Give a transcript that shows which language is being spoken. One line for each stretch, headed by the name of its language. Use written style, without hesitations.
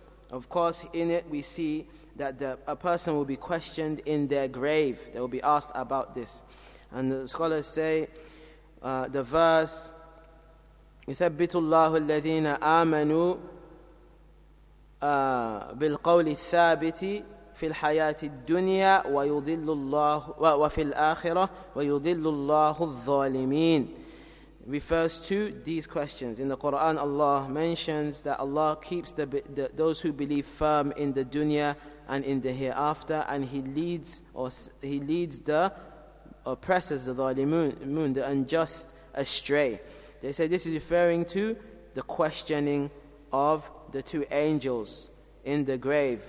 English: Of course, in it we see that a person will be questioned in their grave. They will be asked about this. And the scholars say, the verse,
Arabic: يُثَبِّتُ اللَّهُ الَّذِينَ آمَنُوا بِالْقَوْلِ الثَّابِتِ فِي الْحَيَاةِ الدُّنْيَا وَيُضِلُّ اللَّهُ وَفِي الْآخِرَةِ وَيُضِلُّ اللَّهُ الظَّالِمِينَ
English: refers to these questions. In the Quran, Allah mentions that Allah keeps those who believe firm in the dunya and in the hereafter, and he leads the oppressors, the ظَالِمُونَ, the unjust, astray. They say this is referring to the questioning of the two angels in the grave.